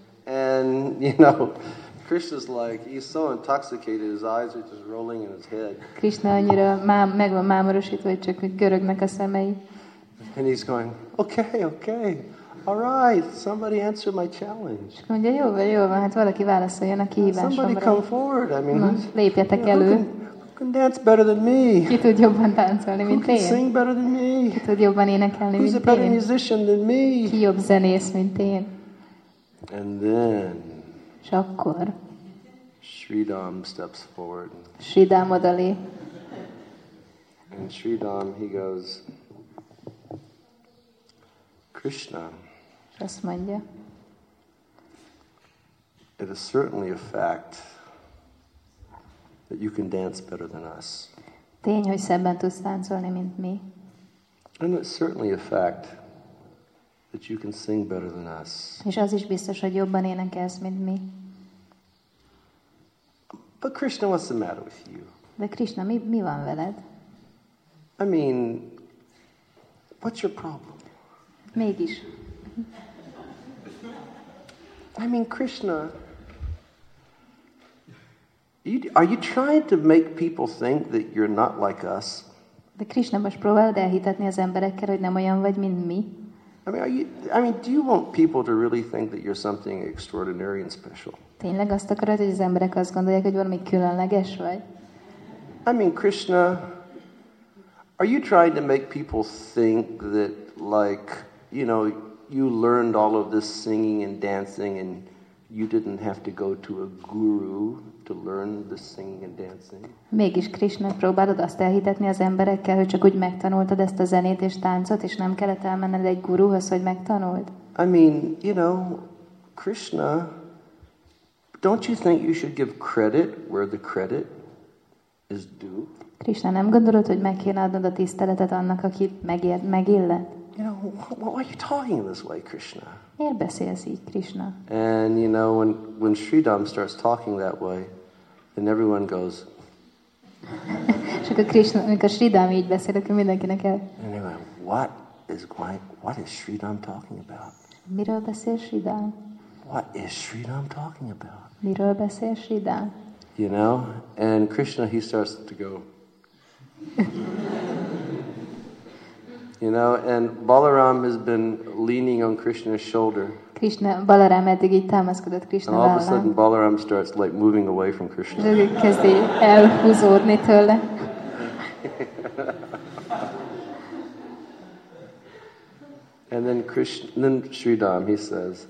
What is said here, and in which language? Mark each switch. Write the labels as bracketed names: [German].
[English] And you know, Krishna's like, he's so intoxicated, his eyes are just rolling in his head. [Hungarian] Krishna annyira meg van mámorosítva, hogy csak görögnek a szemei. [English] And he's going, okay, okay, all right, somebody answer my challenge. [Hungarian] És mondja, jó, van, hát valaki válaszoljon a kihívásomra. [English] Somebody come forward, I mean, [Hungarian] lépjetek elő. [English] Who can dance better than me? [Hungarian] Ki tud jobban táncolni, mint én? [English] Who can sing better than me? [Hungarian] Ki tud jobban énekelni, mint én? [English] Who's a better musician than me? [Hungarian] Ki jobb zenész, mint én? [English] And then, [Hungarian] és akkor [English] Sridham steps forward. [Hungarian] Sridham odalép. [English] And Sridham, he goes, Krishna. [Hungarian] És azt mondja. [English] It is certainly a fact that you can dance better than us. [Hungarian] Tény, hogy szebben tudsz táncolni, mint mi. [English] And it's certainly a fact that you can sing better than us. [Hungarian] És az is biztos, hogy jobban énekelsz, mint mi. [English] But Krishna, what's the matter with you? [Hungarian] De Krishna, mi van veled? [English] I mean, what's your problem? [Hungarian] Mégis. [English] I mean, Krishna, are you trying to make people think that you're not like us? [Hungarian] De Krishna, most próbálod elhitetni az emberekkel, hogy nem olyan vagy, mint mi? [English] Do you want people to really think that you're something extraordinary and special? [Hungarian] Tényleg azt akarod, hogy az emberek azt gondolják, hogy valami különleges vagy? [English] I mean, Krishna, are you trying to make people think that, like, you know, you learned all of this singing and dancing and you didn't have to go to a guru to learn the singing and dancing? [Hungarian] Mégis Krishna, próbálod azt elhitetni az emberekkel, hogy csak úgy megtanultad ezt a zenét és táncot, és nem kellett elmenned egy guruhoz, hogy megtanult? [English] I mean, you know, Krishna, don't you think you should give credit where the credit is due? [Hungarian] Krishna, nem gondolod, hogy meg kéne adnod a tiszteletet annak, aki megillet? [English] You know, why are you talking this way, Krishna? [Hungarian] Miért beszélsz így, Krishna? [English] And you know, when Sridham starts talking that way, then everyone goes. [Hungarian] És akkor Krishna, amikor Sridham így beszél, akkor mindenkinek el. [English] Anyway, what is Sridham talking about? [Hungarian] Miről beszél Sridham? [English] What is Sridham talking about? [Hungarian] Miről beszél Sridham? [English] You know, and Krishna, he starts to go. You know, and Balaram has been leaning on Krishna's shoulder. [Hungarian] Krishna, Balaram eddig így támaszkodott Krishna vállán. [English] And all of a sudden, Balaram starts like moving away from Krishna. [Hungarian] Kezdi elhúzódni tőle. [English] And then Sridham, he says.